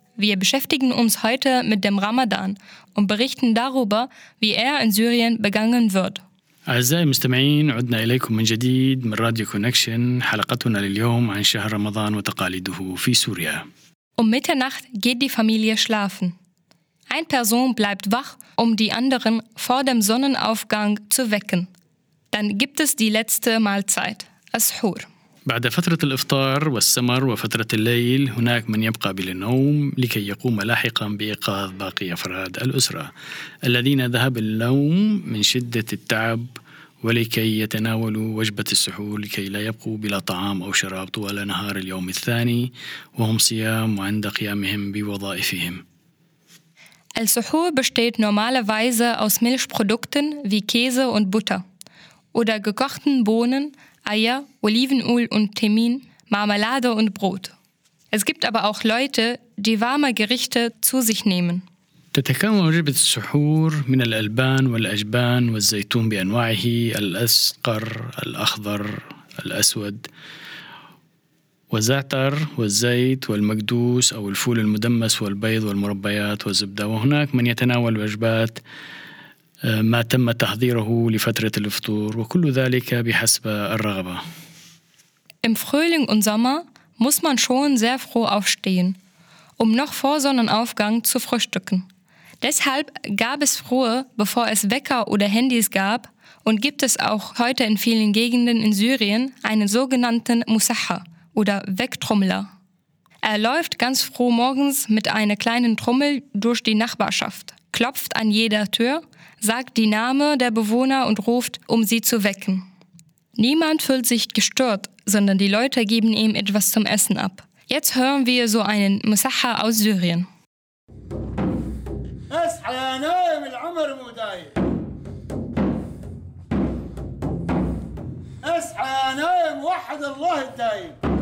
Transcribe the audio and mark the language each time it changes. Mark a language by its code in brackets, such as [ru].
[de] Wir beschäftigen uns heute mit dem Ramadan und berichten darüber, wie er in Syrien begangen wird. [ar] أعزائي المستمعين، عدنا إليكم من جديد من راديو كونكشن، حلقتنا لليوم عن شهر رمضان وتقاليده في سوريا. [de] Um Mitternacht geht die Familie schlafen. Ein Person bleibt wach, um die anderen vor dem Sonnenaufgang zu wecken. dann gibt es die letzte Mahlzeit, As-Suhur. [ar] بعد فترة الإفطار والسمر وفترة الليل هناك من يبقى بالنوم لكي يقوم لاحقاً بإيقاظ باقي أفراد الأسرة الذين ذهب النوم من شدة التعب ولكي يتناولوا وجبة السحور لكي لا يبقوا بلا طعام أو شراب طوال نهار اليوم الثاني وهم صيام وعند قيامهم بوظائفهم. [de] السحور besteht normalerweise aus Milchprodukten wie Käse und Butter oder gekochten Bohnen, Eier, Olivenöl und Thymin, Marmelade und Brot. Es gibt aber auch Leute, die warme Gerichte zu sich nehmen. [ar] تتكون وجبة السحور من الألبان والأجبان والزيتون بأنواعه الأصفر، الأخضر، الأسود والزعتر والزيت والمقدوس أو الفول المدمس والبيض والمربيات والزبدة وهناك من يتناول وجبات ما تم تحضيره لفترة الفطور وكل ذلك بحسب الرغبة. [de] Im Frühling und Sommer muss man schon sehr früh aufstehen, um noch vor Sonnenaufgang zu frühstücken. Deshalb gab es früher, bevor es Wecker oder Handys gab, und gibt es auch heute in vielen Gegenden in Syrien, einen sogenannten Musaha oder Wecktrommler. Er läuft ganz früh morgens mit einer kleinen Trommel durch die Nachbarschaft, klopft an jeder Tür, sagt die Namen der Bewohner und ruft, um sie zu wecken. Niemand fühlt sich gestört, sondern die Leute geben ihm etwas zum Essen ab. Jetzt hören wir so einen Musaha aus Syrien. [ar] اصحى يا نايم العمر مو دايم اصحى يا نايم وحد الله الدايم